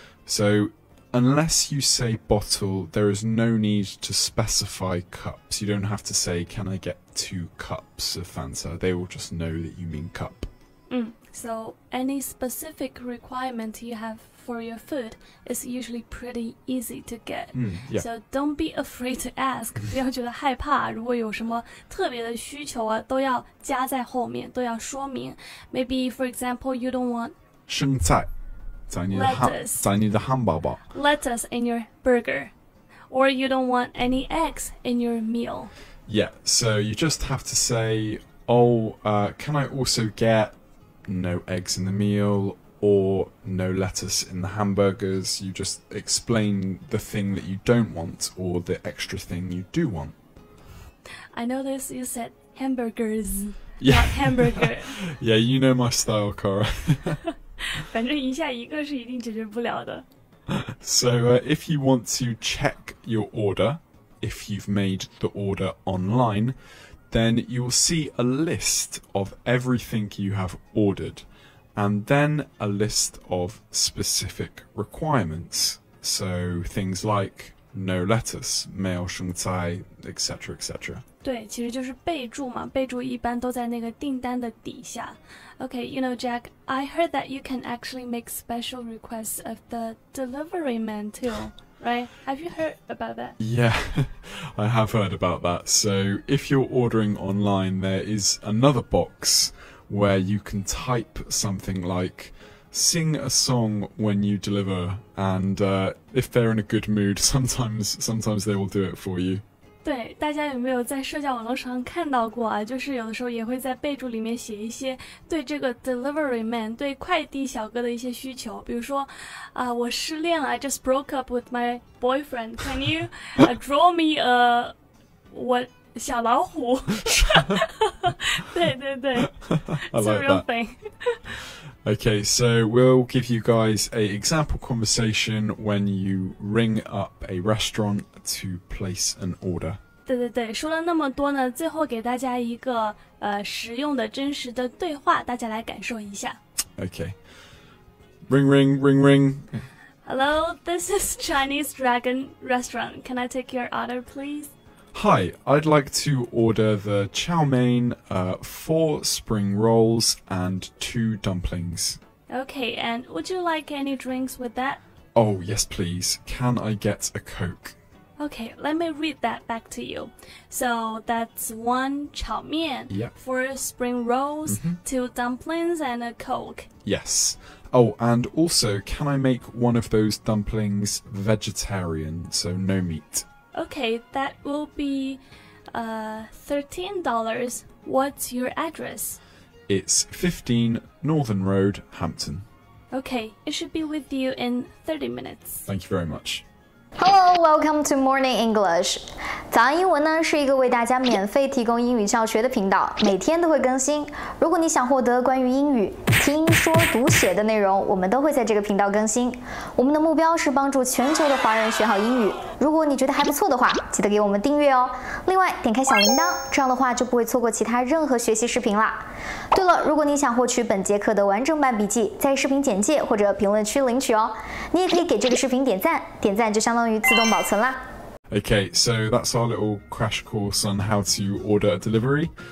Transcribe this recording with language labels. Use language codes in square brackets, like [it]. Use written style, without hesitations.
[en] So unless you say bottle, there is no need to specify cups. You don't have to say, can I get two cups of Fanta? They will just know that you mean cup. Mm. So any specific requirement you have for your food is usually pretty easy to get. Mm, yeah. So don't be afraid to ask. [zh] 不要觉得害怕，如果有什么特别的需求啊，都要加在后面，都要说明。 [en] Maybe, for example, you don't want [zh] 生菜在你的在你的汉堡包 [en] lettuce in your burger, or you don't want any eggs in your meal. Yeah, so you just have to say, oh, can I also get no eggs in the meal? Or no lettuce in the hamburgers. You just explain the thing that you don't want or the extra thing you do want. I noticed you said hamburgers, yeah. Not hamburger. Yeah, you know my style, Cara. [zh] 反正一下一个是一定解决不了的。 [en] So, if you want to check your order, if you've made the order online, then you will see a list of everything you have ordered. And then a list of specific requirements. So things like no lettuce, [zh] 没有生菜 [en] etc, etc. [zh] 对，其实就是备注嘛，备注一般都在那个订单的底下。 [en] Okay, you know, Jack, I heard that you can actually make special requests of the delivery man too, right? Have you heard about that? Yeah, I have heard about that. So if you're ordering online, there is another box... where you can type something like, sing a song when you deliver, and if they're in a good mood, sometimes they will do it for you. [zh] 对，大家有没有在社交网络上看到过啊？就是有的时候也会在备注里面写一些对这个 delivery man, 对快递小哥的一些需求，比如说，我失恋了 ， [en] I just broke up with my boyfriend. Can you draw me a what? [zh] 小老虎对对对 [en] I like that. Okay, so we'll give you guys an example conversation when you ring up a restaurant to place an order. [zh] 对对对，说了那么多呢，最后给大家一个实用的真实的对话，大家来感受一下。 [en] Okay. Ring, ring, ring, ring. Hello, this is Chinese Dragon Restaurant. Can I take your order, please? Hi, I'd like to order the chow mein, four spring rolls, and two dumplings. Okay, and would you like any drinks with that? Oh, yes, please. Can I get a Coke? Okay, let me read that back to you. So, that's one chow mein, four spring rolls, two dumplings, and a Coke. Yes. Oh, and also, can I make one of those dumplings vegetarian, so no meat? Okay, that will be $13. What's your address? It's 15 Northern Road, Hampton. Okay, it should be with you in 30 minutes. Thank you very much. Hello, welcome to Morning English. [zh] 早安英文呢是一个为大家免费提供英语教学的频道，每天都会更新。如果你想获得关于英语听说读写的内容，我们都会在这个频道更新。我们的目标是帮助全球的华人学好英语。如果你觉得还不错的话，记得给我们订阅哦。另外，点开小铃铛，这样的话就不会错过其他任何学习视频啦。对了，如果你想获取本节课的完整版笔记，在视频简介或者评论区领取哦。你也可以给这个视频点赞，点赞就像 [en] Okay, so that's our little crash course on how to order a delivery.